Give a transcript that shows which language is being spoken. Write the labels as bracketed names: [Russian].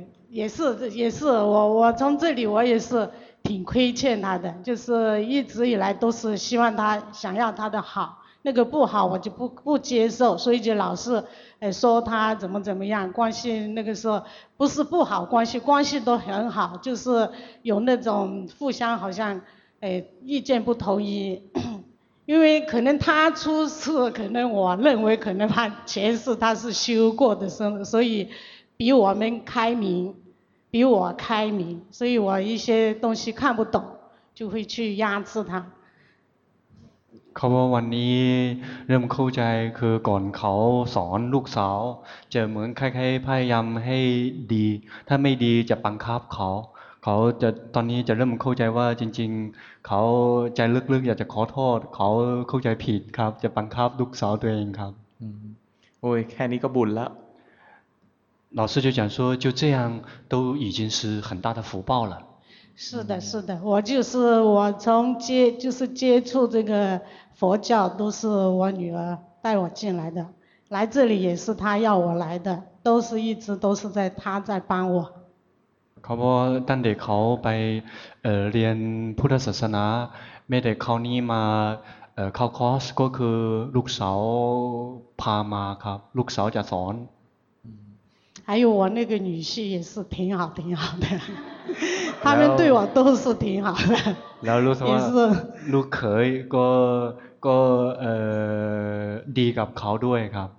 [Chinese] 也是我从这里我也是挺亏欠她的就是一直以来都是希望她想要她的好那个不好我就不接受所以就老是说她怎么怎么样关系那个时候不是不好关系都很好就是有那种互相好像意见不统一因为可能他出事可能我认为可能他前世他是修过的所以比我们开明，比我开明，所以我一些东西看不懂，就会去压制他。 [Thai] เขาบอกวันนี้เริ่มเข้าใจคือก่อนเขาสอนลูกสาวจะเหมือนคล้ายๆพยายามให้ดีถ้าไม่ดีจะบังคับเขาเขาจะตอนนี้จะเริ่มเข้าใจว่าจริงๆเขาใจลึกๆอยากจะขอโทษเขาเข้าใจผิดครับจะบังคับลูกสาวตัวเองครับ โอ้ยแค่นี้ก็บุญแล้ว [Chinese] 老师就讲说就这样都已经是很大的福报了是的是的我就是我从接就是接触这个佛教都是我女儿带我进来的来这里也是她要我来的都是一直都是在她在帮我 [Thai] เขาบอกตั้งแต่เขาไปเรียนพุทธศาสนาไม่ได้เข้านี่มาเข้าคอร์สก็คือลูกสาวพามาครับลูกสาวจะสอน [Chinese] 还有我那个女婿也是挺好挺好的他们对我都是挺好的然后也是 [Thai] ลูกเขยก็ดีกับเขาด้วยครับ